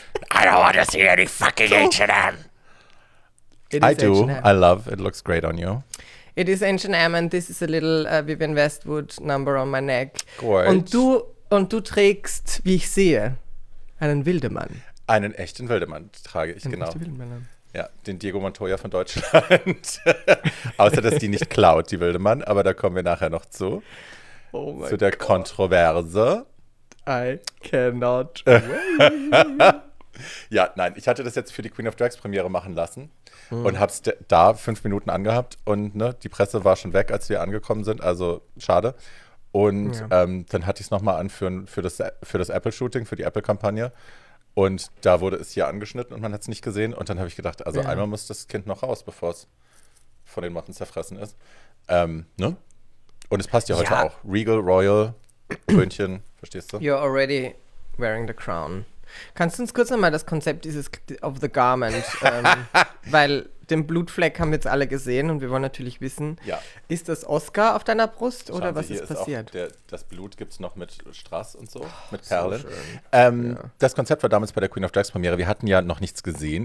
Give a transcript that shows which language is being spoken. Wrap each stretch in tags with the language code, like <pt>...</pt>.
<en>I don't want to see any fucking H&M. I do. H&M. I love. It looks great on you. It is H&M and this is a little Vivienne Westwood number on my neck. Great.</en> <de>Und du trägst, wie ich sehe, einen Wildemann. Einen echten Wildemann trage ich, genau. Echte Wildemann. Ja, den Diego Montoya von Deutschland. Außer, dass die nicht klaut, die Wildemann. Aber da kommen wir nachher noch zu. Oh mein Gott. Zu der Kontroverse.</de> <en>I cannot wait.</en> <de>Ja, nein, ich hatte das jetzt für die Queen of Drags Premiere machen lassen und habe es da 5 Minuten angehabt und ne, die Presse war schon weg, als wir angekommen sind, also schade. Und ja. Dann hatte ich es nochmal an für das Apple-Shooting, für die Apple-Kampagne und da wurde es hier angeschnitten und man hat es nicht gesehen und dann habe ich gedacht, also einmal muss das Kind noch raus, bevor es von den Motten zerfressen ist. Ne? Und es passt ja heute auch. Regal, Royal, Krönchen, verstehst du?</de> <en>You're already wearing the crown.</en> <de>Kannst du uns kurz nochmal das Konzept dieses</de> <en>of the garment,</en> <de>weil den Blutfleck haben jetzt alle gesehen und wir wollen natürlich wissen, ist das Oscar auf deiner Brust oder Schauen was Sie, ist passiert? Ist auch das Blut gibt es noch mit Strass und so, mit Perlen. So das Konzept war damals bei der Queen of Drags Premiere, wir hatten ja noch nichts gesehen.</de>